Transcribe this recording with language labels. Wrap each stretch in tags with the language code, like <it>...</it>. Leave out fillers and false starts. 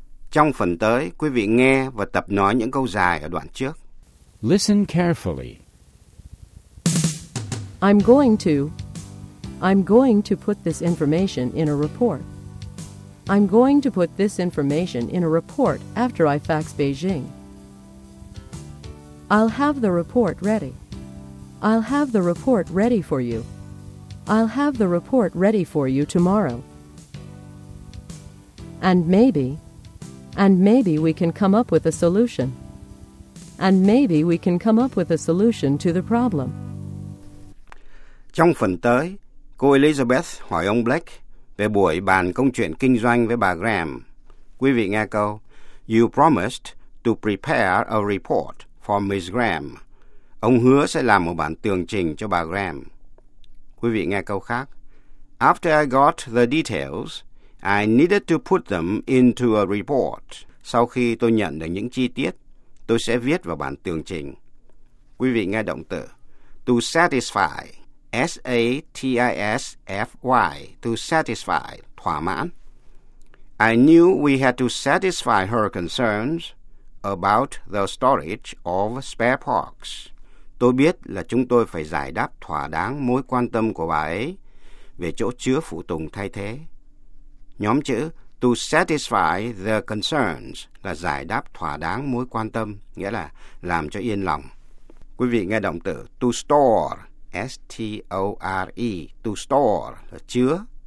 <vi>Trong phần tới, quý vị nghe và tập nói những câu dài ở đoạn trước.</vi> <en>Listen carefully. I'm going to put this information in a report. I'm going to put this information in a report after I fax Beijing. I'll have the report ready. I'll have the report ready for you. I'll have the report ready for you tomorrow. And maybe we can come up with a solution. And maybe we can come up with a solution to the problem.</en> <vi>Trong phần tới, cô Elizabeth hỏi ông Blake về buổi bàn công chuyện kinh doanh với bà Graham. Quý vị nghe câu,</vi> <en>You promised to prepare a report for Ms. Graham.</en> <vi>Ông hứa sẽ làm một bản tường trình cho bà Graham. Quý vị nghe câu khác.</vi> <en>After I got the details, I needed to put them into a report.</en> <vi>Sau khi tôi nhận được những chi tiết, tôi sẽ viết vào bản tường trình. Quý vị nghe động từ.</vi> <en>To satisfy. S-A-T-I-S-F-Y. To satisfy.</en> <vi>Thỏa mãn.</vi> <en>I knew we had to satisfy her concerns about the storage of spare parts.</en> <vi>Tôi biết là chúng tôi phải giải đáp thỏa đáng mối quan tâm của bà ấy về chỗ chứa phụ tùng thay thế. Nhóm chữ</vi> <en>to satisfy the concerns</en> <vi>là giải đáp thỏa đáng mối quan tâm, nghĩa là làm cho yên lòng. Quý vị nghe động từ</vi> <en>to store, S-T-O-R-E, to store</en> <vi>là chứa.</vi>